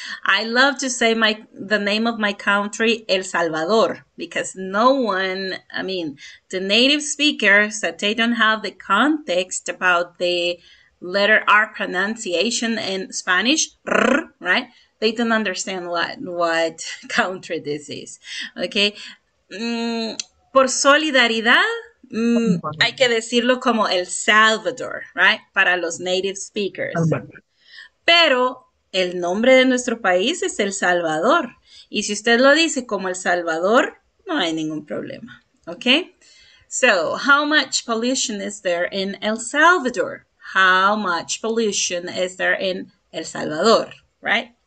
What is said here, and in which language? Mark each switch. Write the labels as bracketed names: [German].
[English] I love to say the name of my country, El Salvador, because the native speakers, that they don't have the context about the letter R pronunciation in Spanish, right? They don't understand what country this is, okay? [Spanish] Por solidaridad, hay que decirlo como El Salvador, right? Para los native speakers. Pero el nombre de nuestro país es El Salvador. Y si usted lo dice como El Salvador, no hay ningún problema, okay? [English] So, how much pollution is there in El Salvador? How much pollution is there in El Salvador, right?